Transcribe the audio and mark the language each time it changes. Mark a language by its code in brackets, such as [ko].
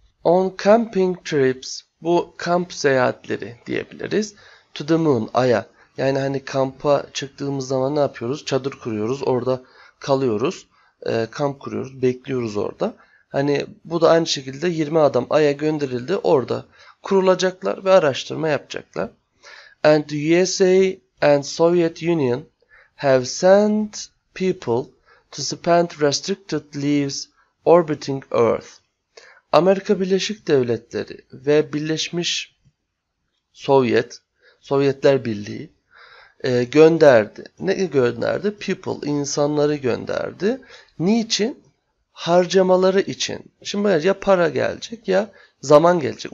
[en] On camping trips, [tr] bu kamp seyahatleri diyebiliriz. [en] To the moon, [tr] aya. Yani hani kampa çıktığımız zaman ne yapıyoruz? Çadır kuruyoruz, orada kalıyoruz. Kamp kuruyoruz, bekliyoruz orada. Hani bu da aynı şekilde 20 adam aya gönderildi. Orada kurulacaklar ve araştırma yapacaklar. [en] And USA and Soviet Union have sent people to spend restricted leaves orbiting Earth. [tr] Amerika Birleşik Devletleri ve Birleşmiş Sovyetler Birliği gönderdi. Ne gönderdi? People, insanları gönderdi. Niçin? Harcamaları için. Şimdi ya para gelecek ya zaman gelecek.